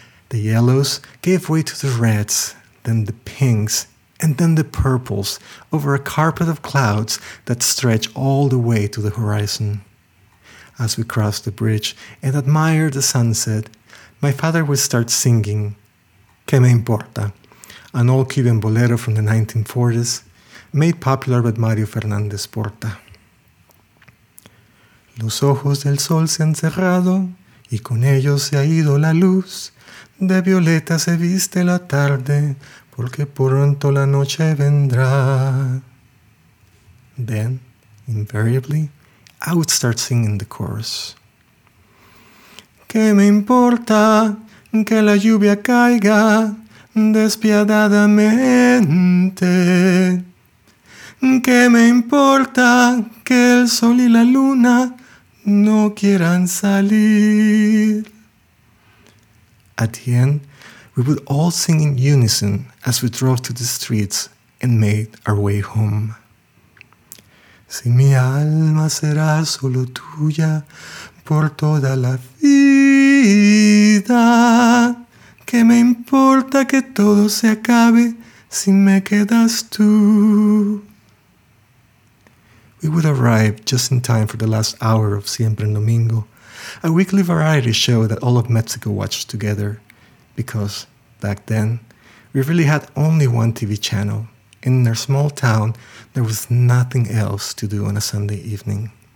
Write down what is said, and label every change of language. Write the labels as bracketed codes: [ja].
[en] The yellows gave way to the reds, then the pinks, and then the purples over a carpet of clouds that stretched all the way to the horizon. As we crossed the bridge and admired the sunset, my father would start singing Que Me Importa, an old Cuban bolero from the 1940s, made popular by Mario Fernandez Porta. [es] Los ojos del sol se han cerrado y con ellos se ha ido la luz. De violeta se viste la tarde porque pronto la noche vendrá. [en] Then, invariably, I would start singing the chorus. [es] ¿Qué me importa que la lluvia caiga despiadadamente? ¿Qué me importa que el sol y la luna no quieran salir? [en] At the end, we would all sing in unison as we drove to the streets and made our way home. [es] Si mi alma será solo tuya por toda la vida, ¿qué me importa que todo se acabe si me quedas tú? [en] We would arrive just in time for the last hour of Siempre en Domingo, a weekly variety show that all of Mexico watched together, because back then, we really had only one TV channel. In our small town, there was nothing else to do on a Sunday evening.